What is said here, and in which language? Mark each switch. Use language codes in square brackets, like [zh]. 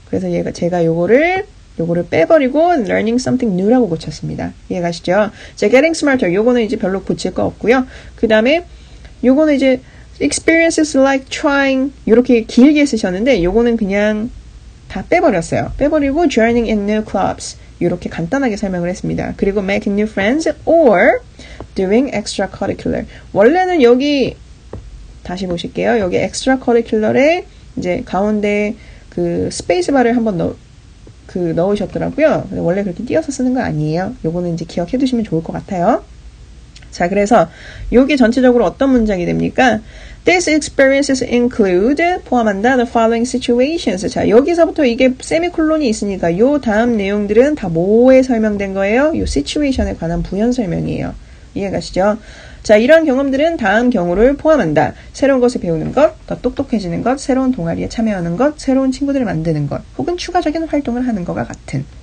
[ko] 그래서 얘가 제가 요거를 빼버리고 [en] learning something new [ko] 라고 고쳤습니다. 이해가시죠? 자, [en] getting smarter [ko] 요거는 이제 별로 고칠 거 없고요. 그 다음에 요거는 이제 [en] experiences like trying [ko] 요렇게 길게 쓰셨는데 요거는 그냥 다 빼버렸어요. 빼버리고 [en] joining in new clubs [ko] 요렇게 간단하게 설명을 했습니다. 그리고 [en] making new friends or doing extracurricular [ko] 원래는 여기 다시 보실게요. 여기 extracurricular에 이제 가운데 그 스페이스바를 한번 넣으셨더라고요. 원래 그렇게 띄어서 쓰는 거 아니에요. 요거는 이제 기억해 두시면 좋을 것 같아요. 자, 그래서 요게 전체적으로 어떤 문장이 됩니까? [en] This experiences include [ko] 포함한다 [en] the following situations. [ko] 자, 여기서부터 이게 세미콜론이 있으니까 요 다음 내용들은 다 뭐에 설명된 거예요? 요 situation에 관한 부연 설명이에요. 이해가시죠? 자, 이런 경험들은 다음 경우를 포함한다. 새로운 것을 배우는 것, 더 똑똑해지는 것, 새로운 동아리에 참여하는 것, 새로운 친구들을 만드는 것, 혹은 추가적인 활동을 하는 것과 같은.